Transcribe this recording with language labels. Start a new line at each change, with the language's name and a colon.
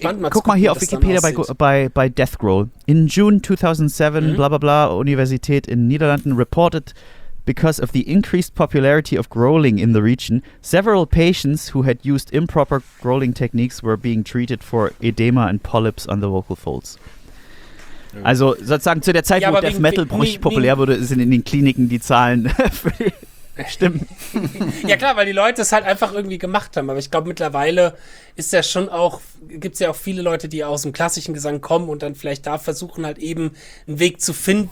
German: Guck mal hier auf Wikipedia bei Deathgrowl.
English: In June 2007,
German: Universität in Niederlanden
English: reported, because of the increased popularity of growling in the region, several patients who had used improper growling techniques were being treated for edema and polyps on the vocal folds.
German: Also sozusagen zu der Zeit, wo Death Metal populär wurde, sind in den Kliniken die Zahlen stimmt. Ja klar, weil die Leute es halt einfach irgendwie gemacht haben. Aber ich glaube, mittlerweile ist ja schon auch, gibt es ja auch viele Leute, die aus dem klassischen Gesang kommen und dann vielleicht da versuchen halt eben einen Weg zu finden.